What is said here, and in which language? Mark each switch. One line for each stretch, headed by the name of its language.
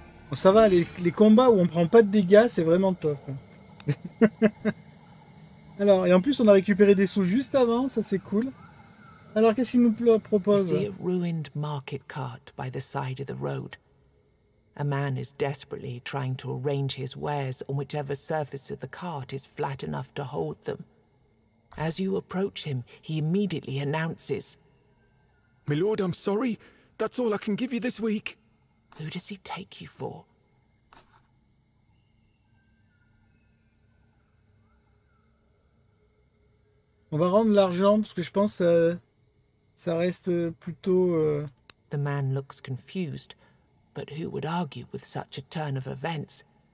French: Bon, ça va, les combats où on prend pas de dégâts, c'est vraiment top. Alors, et en plus, on a récupéré des sous juste avant, ça c'est cool. Alors qu'est-ce qu'il nous propose?
English: You see a ruined market cart by the side of the road. A man is desperately trying to arrange his wares on whichever surface of the cart is flat enough to hold them. As you approach him, he immediately announces, "My lord, I'm sorry. That's all I can give you this week." Who does he take you for?
French: On va rendre l'argent parce que je pense que ça reste plutôt.
English: The man looks confused, but who would argue with such a turn of events?